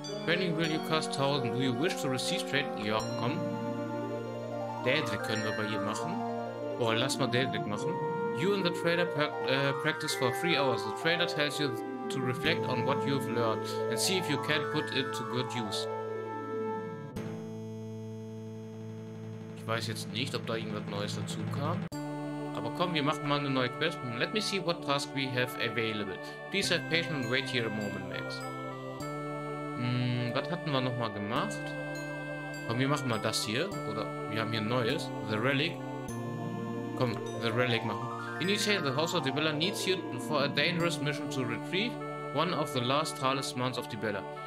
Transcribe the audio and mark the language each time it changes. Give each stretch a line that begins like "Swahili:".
English: Training will you cost 1000. Do you wish to receive training?
German: Ja, komm. Daedric können wir bei ihr machen. Boah, lass mal Daedric machen.
English: You and the trainer practice for 3 hours. The trainer tells you to reflect on what you've learned and see if you can put it to good use.
German: Ich weiß jetzt nicht, ob da irgendwas Neues dazu kam. Aber komm, wir machen mal eine neue Quest.
English: Let me see what task we have available. Please have patience and wait here a moment, Max.
German: Was hatten wir nochmal gemacht? Komm, wir machen mal das hier. Oder wir haben hier ein neues. The Relic. Komm, The Relic machen.
English: Initiate the House of Dibella needs you for a dangerous mission to retrieve one of the last talismans of Dibella.